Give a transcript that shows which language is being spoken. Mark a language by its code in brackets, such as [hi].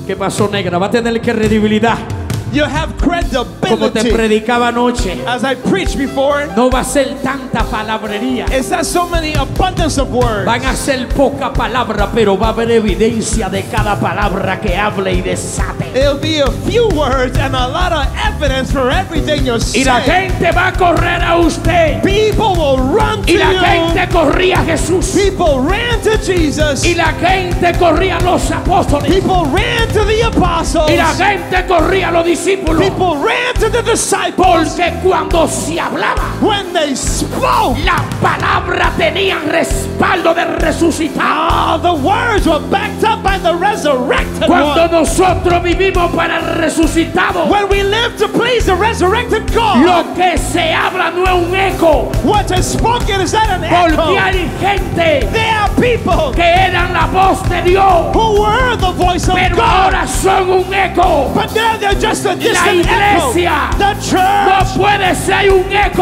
[es] que pasó negra, va a tener credibilidad. [en] You have credibility. [es] Como te predicaba anoche, [en] as I preached before, [es] no va a ser tanta palabrería. [en] It's not so many abundance of words. [es] Van a ser poca palabra, pero va a haber evidencia de cada palabra que hable y desate. [en] There'll be a few words and a lot of evidence for everything you say. [es] Y la gente va a correr a usted. [en] People will run to you. [es] Y la gente corría a Jesús. [en] People ran to Jesus. [es] Y la gente corría a los apóstoles. [en] People ran to the apostles. [es] Y la gente corría a los discípulos. [en] People ran to the disciples. [es] Porque cuando se hablaba, [en] when they spoke, [es] la palabra tenía respaldo de resucitado. [en] Ah, the words were backed up by the resurrected. [es] Cuando [en] one. [es] Nosotros vivimos para el resucitado, [en] when we live to please the resurrected God, [es] lo que se habla no es un eco. [en] What is spoken is not an echo. [es] Porque hay gente, [en] there are people, [es] que eran la voz de Dios, [en] who were the voice of [es] pero [en] God, [es] ahora son un eco. [en] But now they're just a distant echo. The church, [es] no puede ser un echo.